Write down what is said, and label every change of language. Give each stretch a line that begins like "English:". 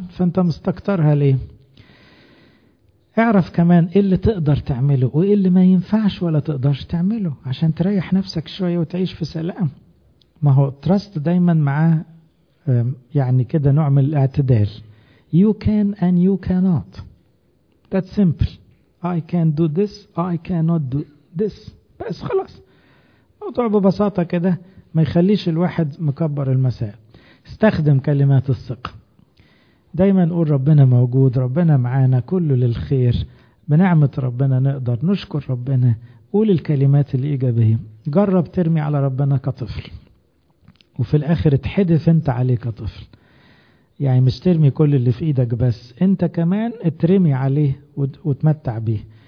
Arabic: فانت مستكترها ليه؟ اعرف كمان ايه اللي تقدر تعمله وايه اللي ما ينفعش ولا تقدرش تعمله عشان تريح نفسك شوية وتعيش في سلام. ما هو تراست دايما معاه يعني كده نوع من الاعتدال.
English: You can and you cannot. That's simple. I can do this, I cannot do this.
Arabic: بس خلاص. ما موضوع ببساطة كده ما يخليش الواحد مكبر المسائل. استخدم كلمات الثقة دايما، نقول ربنا موجود، ربنا معانا، كله للخير، بنعمة ربنا نقدر نشكر ربنا. قول الكلمات الإيجابية، جرب ترمي على ربنا كطفل وفي الآخر اتحدث انت عليه كطفل، يعني مش ترمي كل اللي في ايدك بس، انت كمان اترمي عليه وتمتع بيه.